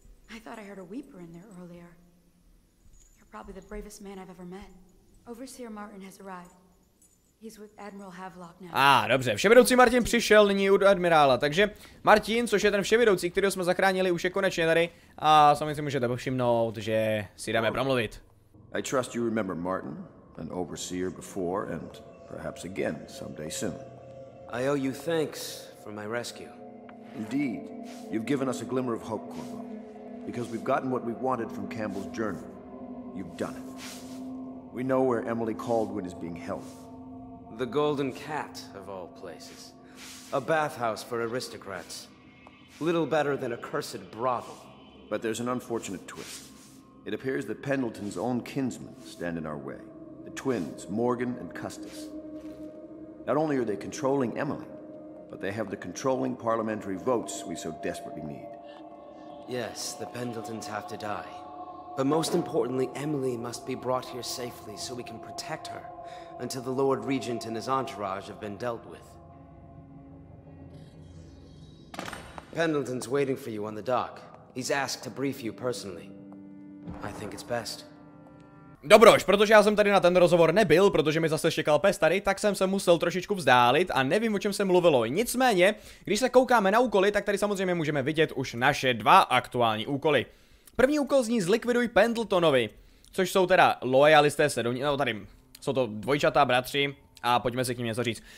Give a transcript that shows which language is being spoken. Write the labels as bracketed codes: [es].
[en] I thought I heard a weeper in there earlier. You're probably the bravest man I've ever met. Overseer Martin has arrived. He's with Admiral Havelock now. [cs] Ah, dobře. Vševědoucí Martin přišel nyní u admirála. Takže Martin, což je ten vševědoucí, kterého jsme zachránili, už je konečně tady a samozřejmě si můžete povšimnout, že si dáme promluvit. [en] I trust you remember Martin, an overseer before and perhaps again, someday soon. I owe you thanks for my rescue. Indeed, you've given us a glimmer of hope, Corvo. Because we've gotten what we wanted from Campbell's journal. You've done it. We know where Emily Caldwin is being held. The Golden Cat, of all places. A bathhouse for aristocrats. Little better than a cursed brothel. But there's an unfortunate twist. It appears that Pendleton's own kinsmen stand in our way. The twins, Morgan and Custis. Not only are they controlling Emily, but they have the controlling parliamentary votes we so desperately need. Yes, the Pendletons have to die. But most importantly, Emily must be brought here safely so we can protect her until the Lord Regent and his entourage have been dealt with. Pendleton's waiting for you on the dock. He's asked to brief you personally. I think it's best. [cs] Dobroš, protože já jsem tady na ten rozhovor nebyl, protože mi zase štěkal pes tady, tak jsem se musel trošičku vzdálit a nevím, o čem se mluvilo. Nicméně, když se koukáme na úkoly, tak tady samozřejmě můžeme vidět už naše dva aktuální úkoly. První úkol zní zlikviduj Pendletonovi, což jsou teda loyalisté se domnívají, no tady, jsou to dvojčata, bratři a pojďme si k ním něco říct.